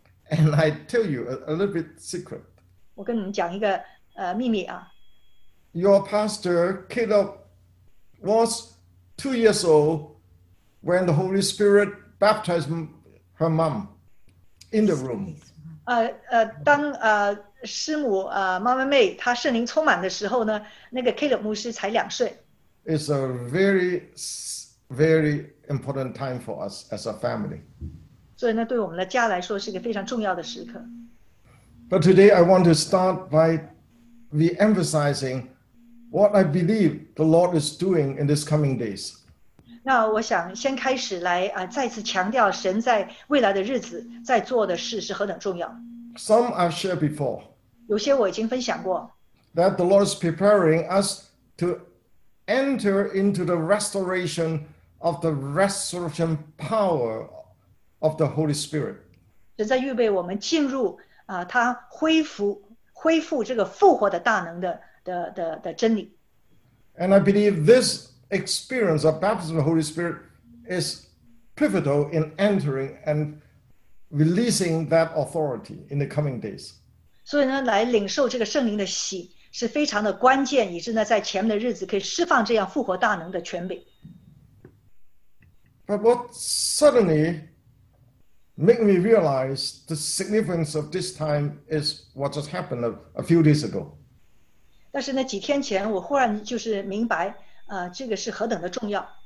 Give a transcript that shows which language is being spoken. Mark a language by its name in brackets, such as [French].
[English] And I tell you a little bit secret. [Chinese] 我跟你们讲一个秘密。 [English] Your pastor Caleb was 2 years old when the Holy Spirit baptized her mom in the room. [Chinese] 当师母Mama May她圣灵充满的时候呢，那个 Caleb 牧师才两岁。 [English] It's a very, very important time for us as a family. [Chinese] 所以呢，对我们的家来说是一个非常重要的时刻。 [English] But today I want to start by re-emphasizing what I believe the Lord is doing in these coming days. [Chinese] 那我想先开始来再次强调神在未来的日子在做的事是何等重要。 [English] Some I've shared before. [Chinese] 有些我已经分享过。 [English] That the Lord is preparing us to enter into the restoration of the resurrection power of the Holy Spirit. [Chinese] 神在预备我们进入他恢复这个复活的大能的真理。 [English] And I believe this experience of baptism of the Holy Spirit is pivotal in entering and releasing that authority in the coming days. [Chinese] 所以呢，来领受这个圣灵的洗。是非常的关键，以致呢，在前面的日子可以释放这样复活大能的权柄。 [English] But what suddenly made me realize the significance of this time is what just happened a few days ago. [Chinese] 但是呢，几天前我忽然就是明白，这个是何等的重要。